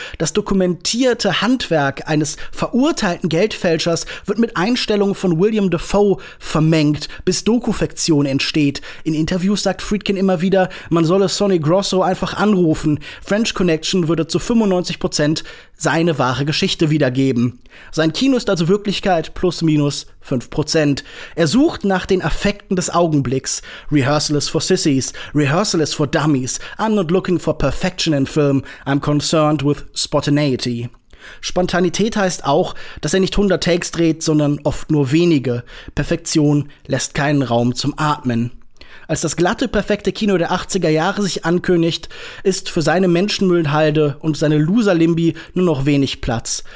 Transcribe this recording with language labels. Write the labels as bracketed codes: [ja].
[de] Das dokumentierte Handwerk eines verurteilten Geldfälschers wird mit Einstellungen von William Dafoe vermengt, bis Dokufektion entsteht. In Interviews sagt Friedkin immer wieder, man solle Sonny Grosso einfach anrufen. French Connection würde zu 95% seine wahre Geschichte wiedergeben. Sein Kino ist also Wirklichkeit plus minus 5%. Er sucht nach den Affekten des Augenblicks. [en] Rehearsal is for sissies. Rehearsal is for dummies. I'm not looking for perfection in film. I'm concerned with spontaneity. [de] Spontanität heißt auch, dass er nicht 100 Takes dreht, sondern oft nur wenige. Perfektion lässt keinen Raum zum Atmen. Als das glatte, perfekte Kino der 80er Jahre sich ankündigt, ist für seine Menschenmüllhalde und seine Loser-Limby nur noch wenig Platz.